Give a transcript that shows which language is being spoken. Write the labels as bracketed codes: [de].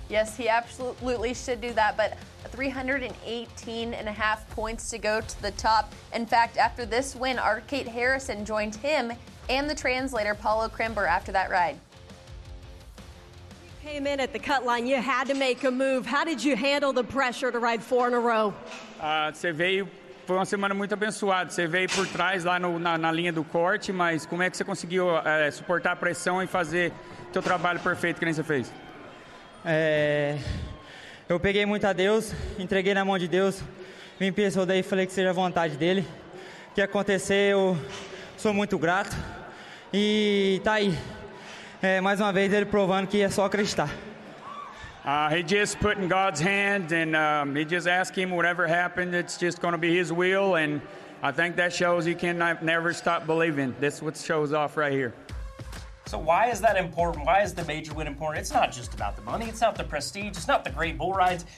[en] Yes, he absolutely should do that, but 318.5 points to go to the top. In fact, after this win, Arcade Harrison joined him and the translator, Paulo Krimber, after that ride. You came in at the cut line. You had to make a move. How did you handle the pressure to ride four in a row? [pt] Você veio... Foi uma semana muito abençoada. Você veio por trás lá no, na linha do corte, mas como é que você conseguiu suportar a pressão e fazer teu trabalho perfeito que nem você fez? Eu peguei muito a Deus, entreguei na mão de Deus, me impressionou daí e falei que seja a vontade dele. O que acontecer, eu sou muito grato. E tá aí, mais uma vez ele provando que é só acreditar. [en] He just put in God's hands, and he just asked him, whatever happened, it's just going to be his will, and I think that shows you can never stop believing. That's what shows off right here. So why is that important? Why is the major win important? It's not just about the money. It's not the prestige. It's not the great bull rides.